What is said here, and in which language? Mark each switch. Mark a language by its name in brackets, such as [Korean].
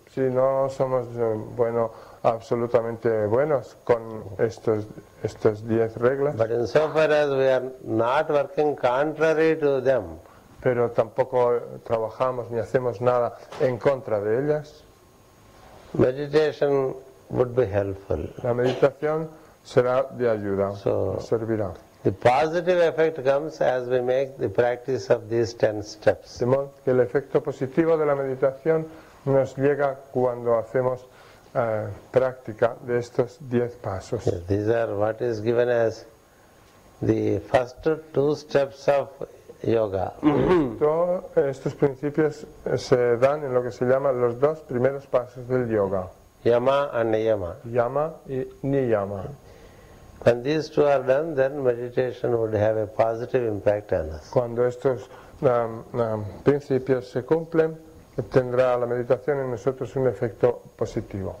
[Spanish] si no somos absolutamente buenos con estas 10 reglas. [English] But in so far as we are not working contrary to them. [Spanish] Pero tampoco trabajamos ni hacemos nada en contra de ellas. [English] Meditation would be helpful. [Spanish] La meditación será de ayuda, so, servirá. [English] The positive effect comes as we make the practice of these 10 steps. [Spanish] De modo que el efecto positivo de la meditación nos llega cuando hacemos práctica de estos 10 pasos. [English] Yes, these are what is given as the first 2 steps of yoga. [Spanish] Todos estos principios se dan en lo que se llama los 2 primeros pasos del yoga. [English] Yama and niyama. [Spanish] Yama y niyama. [English] When these 2 are done, then meditation would have a positive impact on us. [Spanish] Cuando estos principios se cumplen, tendrá la meditación en nosotros un efecto positivo.